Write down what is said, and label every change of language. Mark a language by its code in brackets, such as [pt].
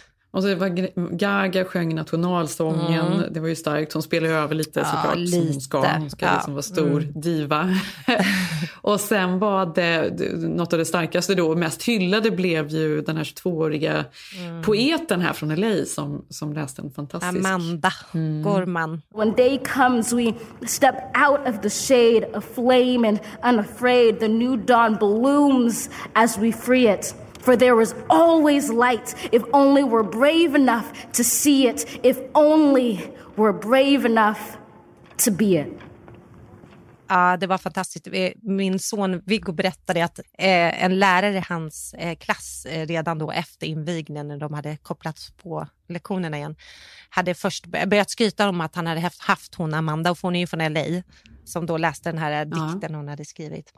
[sv] Och så var Gaga sjöng nationalsången. Mm. Det var ju starkt. Hon spelade över lite, ja, såklart. Lite. Som ska. Hon ska liksom vara stor diva. Och sen var det något av det starkaste då. Mest hyllade blev ju den här 22-åriga poeten här från LA som läste en fantastisk... Amanda Gorman. [en] When day comes we step out of the shade of flame and unafraid. The new dawn blooms as we free it. For there is always light, if only we're brave enough to see it, if only we're brave enough to be it. [sv] Ja, det var fantastiskt. Min son Viggo berättade att en lärare i hans klass redan då efter invigningen när de hade kopplats på lektionerna igen hade först börjat skryta om att han hade haft hon Amanda, och hon är ju från LA, som då läste den här dikten hon hade skrivit.